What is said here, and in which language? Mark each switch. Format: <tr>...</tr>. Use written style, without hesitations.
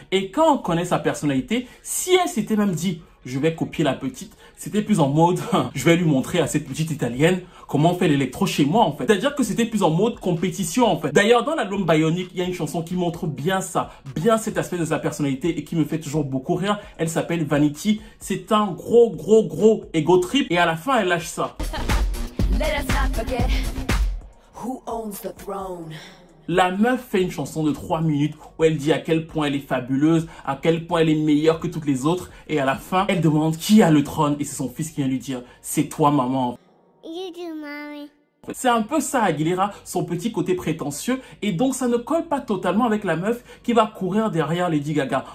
<fr>Et quand on connaît sa personnalité, si elle s'était même dit « je vais copier la petite », c'était plus en mode « je vais lui montrer à cette petite italienne comment on fait l'électro chez moi en fait ». C'est-à-dire que c'était plus en mode compétition en fait. D'ailleurs dans l'album Bionic, il y a une chanson qui montre bien ça, bien cet aspect de sa personnalité et qui me fait toujours beaucoup rire. Elle s'appelle Vanity. C'est un gros gros gros ego trip et à la fin elle lâche ça.</fr> <en>Let us not forget who owns the throne.</en> <fr>La meuf fait une chanson de 3 minutes où elle dit à quel point elle est fabuleuse, à quel point elle est meilleure que toutes les autres. Et à la fin, elle demande qui a le trône et c'est son fils qui vient lui dire « c'est toi maman ». C'est un peu ça Aguilera, son petit côté prétentieux. Et donc ça ne colle pas totalement avec la meuf qui va courir derrière Lady Gaga.</fr>